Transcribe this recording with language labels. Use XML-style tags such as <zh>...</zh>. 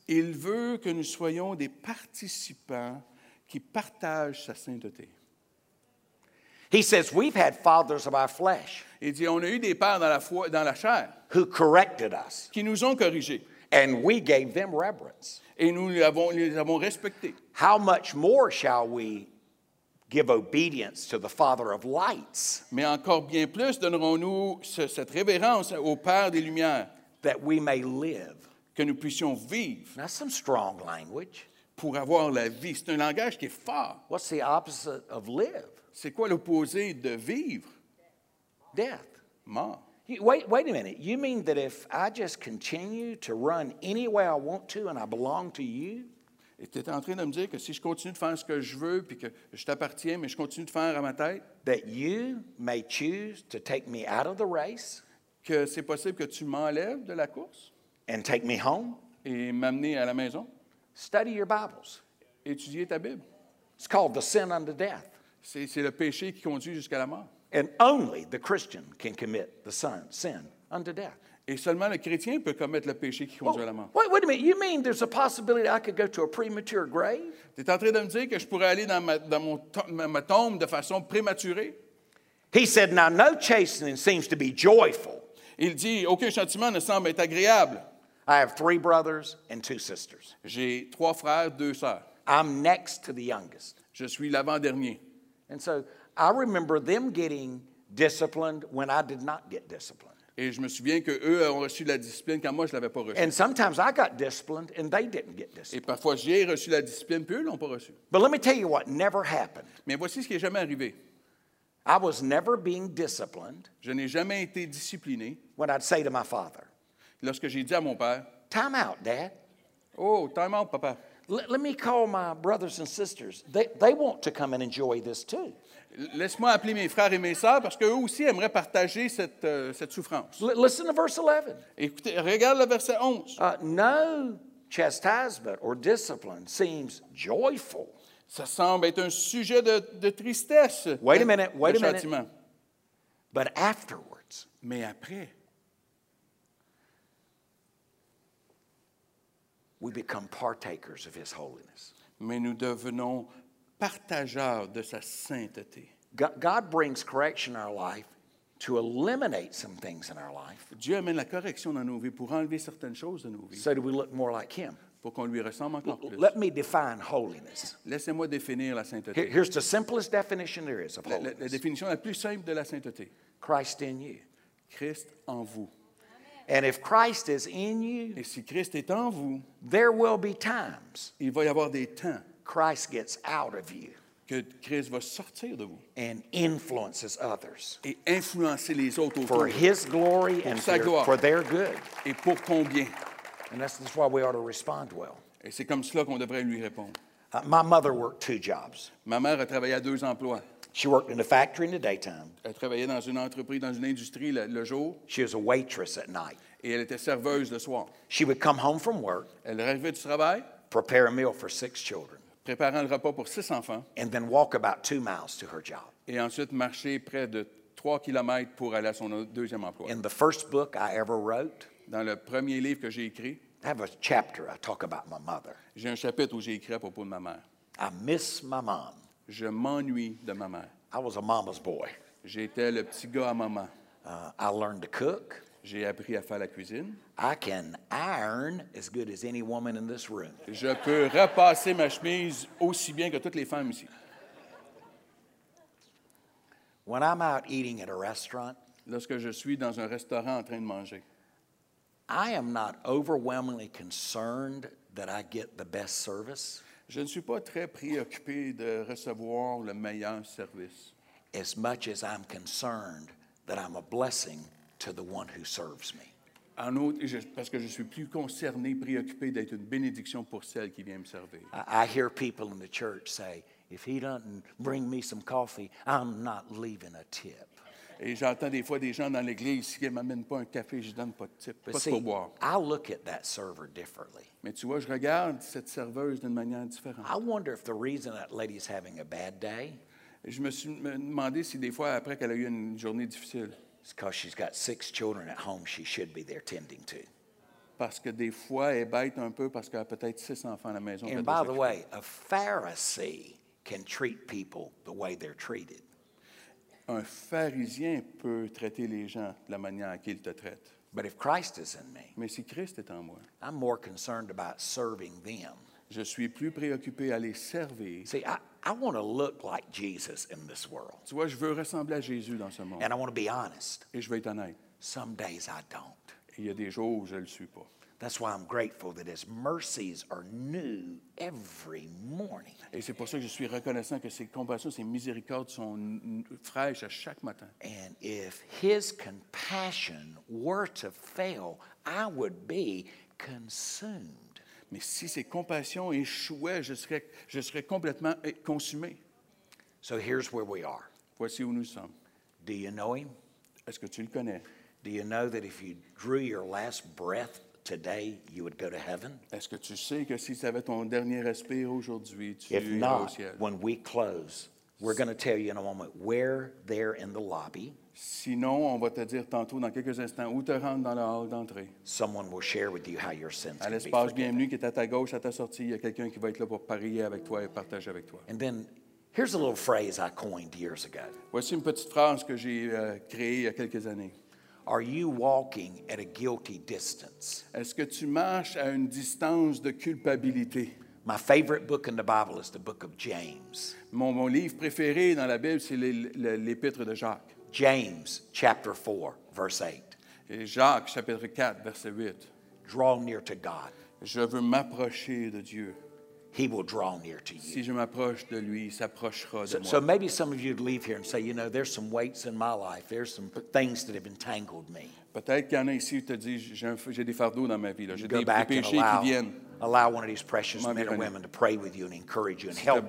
<fr>Il veut que nous soyons des participants qui partagent sa sainteté.</fr> <en>He says, we've had fathers of our flesh.</en> <fr>Il dit, on a eu des pères dans la foi, dans la chair.</fr> <en>Who corrected us.</en> <fr>Qui nous ont corrigés.</fr> <en>And we gave them reverence.</en> <fr>Et nous les avons respectés.</fr> <en>How much more shall we give obedience to the Father of lights.</en> <fr>Mais encore bien plus donnerons-nous cette révérence au Père des Lumières.</fr> <en>That we may live.</en> <fr>Que nous puissions vivre.</fr> <en>That's some strong language.</en> <fr>Pour avoir la vie. C'est un langage qui est fort.</fr> <en>What's the opposite of live?</en> <fr>C'est quoi l'opposé de vivre?</fr> <en>Death.</en> <fr>Mort.</fr> <en>Wait a minute. You mean that if I just continue to run any way I want to and I belong to you?</en> <fr>Et tu es en train de me dire que si je continue de faire ce que je veux puis que je t'appartiens, mais je continue de faire à ma tête,</fr> <en>that you may choose to take me out of the race,</en> <fr>que c'est possible que tu m'enlèves de la course</fr> <en>and take me home,</en> <fr>et m'amener à la maison.</fr> <en>Study your Bibles.</en> <fr>Étudier ta Bible.</fr> <en>It's called the sin unto death.</en> <fr>C'est le péché qui conduit jusqu'à la mort.</fr> <en>And only the Christian can commit the sin unto death.</en> <fr>Et seulement le chrétien peut commettre le péché qui conduit à la mort.</fr> <en>Wait a minute. You mean there's a possibility I could go to a premature grave?</en> <fr>Tu es en train de me dire que je pourrais aller dans ma tombe de façon prématurée?</fr> <en>He said, now no chastening seems to be joyful.</en> <fr>Il dit, aucun châtiment ne semble être agréable.</fr> <en>I have three brothers and two sisters.</en> <fr>J'ai trois frères, deux sœurs.</fr> <en>I'm next to the youngest.</en> <fr>Je suis l'avant-dernier.</fr> <en>And so I remember them getting disciplined when I did not get disciplined.</en> <fr>Et je me souviens qu'eux ont reçu la discipline quand moi, je ne l'avais pas reçue.</fr> <en>And sometimes I got disciplined and they didn't get disciplined.</en> <fr>Et parfois, j'ai reçu la discipline, puis eux ne l'ont pas reçue.</fr> <en>But let me tell you what never happened.</en> <fr>Mais voici ce qui n'est jamais arrivé.</fr> <en>I was never being disciplined.</en> <fr>Je n'ai jamais été discipliné.</fr> <en>When I'd say to my father,</en> <fr>lorsque j'ai dit à mon père,</fr> <en>time out, Dad.</en> <fr>Oh,</fr> <en>time out,</en> <fr>papa.</fr> <en>Let me call my brothers and sisters. They want to come and enjoy this too.</en> <fr>Laisse-moi appeler mes frères et mes sœurs parce qu'eux aussi aimeraient partager cette souffrance.</fr> <en>Listen to verse 11.</en> <fr>Écoutez, regarde le verset 11.</fr> <en>No chastisement or discipline seems joyful.</en> <fr>Ça semble être un sujet de tristesse.</fr> <en>Wait a minute, wait a minute. But afterwards.</en> <fr>Mais après.</fr> <en>We become partakers of his holiness.</en> <fr>Mais nous devenons partageurs de sa sainteté.</fr> <en>God brings correction in our life to eliminate some things in our life.</en> <fr>Dieu amène la correction dans nos vies pour enlever certaines choses de nos vies.</fr> <en>So do we look more like him.</en> <fr>Pour qu'on lui ressemble encore plus.</fr> <en>Let me define holiness.</en> <fr>Laissez-moi définir la sainteté.</fr> <en>Here's the simplest definition there is of holiness.</en> <fr>La définition la plus simple de la sainteté.</fr> <en>Christ in you.</en> <fr>Christ en vous.</fr> <en>And if Christ is in you,</en> <fr>et si Christ est en vous,</fr> <en>there will be times.</en> <fr>Il va y avoir des temps.</fr> <en>Christ gets out of you.</en> <fr>Que Christ va sortir de vous.</fr> <en>And influences others.</en> <fr>Et influencer les autres autour.</fr> <en>For his glory and for their good.</en> <fr>Et pour ton bien.</fr> <en>And that's why we ought to respond well.</en> <fr>Et c'est comme cela qu'on devrait lui répondre.</fr> <en>My mother worked two jobs.</en> <fr>Ma mère a travaillé à deux emplois.</fr> <en>She worked in a factory in the daytime.</en> <fr>Elle travaillait dans une entreprise, dans une industrie le jour.</fr> <en>She was a waitress at night.</en> <fr>Et elle était serveuse le soir.</fr> <en>She would come home from work.</en> <fr>Elle arrivait du travail.</fr> <en>Prepare a meal for six children.</en> <fr>Préparant le repas pour six enfants.</fr> <en>And then walk about 2 miles to her job.</en> <fr>Et ensuite marcher près de 3 kilomètres pour aller à son deuxième emploi.</fr> <en>In the first book I ever wrote.</en> <fr>Dans le premier livre que j'ai écrit,</fr> <en>I have a chapter I talk about my mother.</en> <fr>J'ai un chapitre où j'ai écrit à propos de ma mère.</fr> <en>I miss my mom.</en> <fr>Je m'ennuie de ma mère.</fr> <en>I was a mama's boy.</en> <fr>J'étais le petit gars à maman.</fr> <en>I learned to cook.</en> <fr>J'ai appris à faire la cuisine.</fr> <en>I can iron as good as any woman in this room.</en> <fr>Je peux repasser ma chemise aussi bien que toutes les femmes ici.</fr> <en>When I'm out eating at a restaurant,</en> <fr>lorsque je suis dans un restaurant en train de manger,</fr> <en>I am not overwhelmingly concerned that I get the best service.</en> <fr>Je ne suis pas très préoccupé de recevoir le meilleur service.</fr> <en>As much as I'm concerned that I'm a blessing to the one who serves me.</en> <fr>En outre, parce que je suis plus concerné, préoccupé d'être une bénédiction pour celle qui vient me servir.</fr> <en>I hear people in the church say, if he doesn't bring me some coffee, I'm not leaving a tip.</en> <fr>Et j'entends des fois des gens dans l'église qui ne m'amènent pas un café, je ne donne pas de tip, pas de pourboire.</fr> <en>I look at that server differently.</en> <fr>Mais tu vois, je regarde cette serveuse d'une manière différente.</fr> <en>I wonder if the reason that lady is having a bad day.</en> <fr>Je me suis demandé si des fois après qu'elle a eu une journée difficile.</fr> <en>It's because she's got six children at home she should be there tending to.</en> <fr>Parce que des fois, elle bête un peu parce qu'elle a peut-être six enfants à la maison.</fr> <en>And by the way, a Pharisee can treat people the way they're treated.</en> <fr>Un pharisien peut traiter les gens de la manière qu'il te traite.</fr> <en>But if Christ is in me,</en> <fr>mais si Christ est en moi,</fr> <en>I'm more concerned about serving them.</en> <fr>Je suis plus préoccupé à les servir.</fr> <en>See, I want to look like Jesus in this world.</en> <fr>Tu vois, je veux ressembler à Jésus dans ce monde.</fr> <en>And I want to be honest.</en> <fr>Et je veux être honnête.</fr> <en>Some days I don't.</en> <fr>Il y a des jours où je ne le suis pas.</fr> <en>That's why I'm grateful that his mercies are new every morning.</en> <fr>Et c'est pour ça que je suis reconnaissant que ses compassions, ses miséricordes sont fraîches à chaque matin.</fr> <en>And if his compassion were to fail, I would be consumed.</en> <fr>Mais si ses compassions échouaient, je serais complètement consumé.</fr> <en>So here's where we are.</en> <fr>Voici où nous sommes.</fr> <en>Do you know him?</en> <fr>Est-ce que tu le connais?</fr> <en>Do you know that if you drew your last breath today, you would go to heaven?</en> <fr>Est-ce que tu sais que si ça avait ton dernier respire aujourd'hui, tu irais au ciel?</fr> <en>When we close, we're going to tell you in a moment where there in the lobby.</en> <fr>Sinon, on va te dire tantôt dans quelques instants où te rendre dans le hall d'entrée.</fr> <en>Someone will share with you how your sins can be forgiven.</en> <fr>À l'espace bienvenu qui est à ta gauche, à ta sortie, il y a quelqu'un qui va être là pour parier avec toi et partager avec toi.</fr> <en>And then, here's a little phrase I coined years ago.</en> <fr>Voici une petite phrase que j'ai créée il y a quelques années.</fr> <en>Are you walking at a guilty distance?</en> <fr>Est-ce que tu marches à une distance de culpabilité?</fr> <en>My favorite book in the Bible is the book of James.</en> <fr>Mon livre préféré dans la Bible, c'est l'épître de Jacques.</fr> <en>James, chapter 4, verse 8.</en> <fr>Et Jacques, chapitre 4, verset 8.</fr> <en>Draw near to God.</en> <fr>Je veux m'approcher de Dieu.</fr> <en>He will draw near to you.</en> <fr>Si je m'approche de lui, il s'approchera de moi.</fr> <en>So maybe some of you would leave here and say, you know, there's some weights in my life. There's some things that have entangled me.</en> <fr>Peut-être qu'il y en a ici où tu as dit, j'ai des fardeaux dans ma vie. J'ai des péchés qui viennent.</fr> <en>Allow one of these precious men and women to pray with you and encourage you and help you.</en>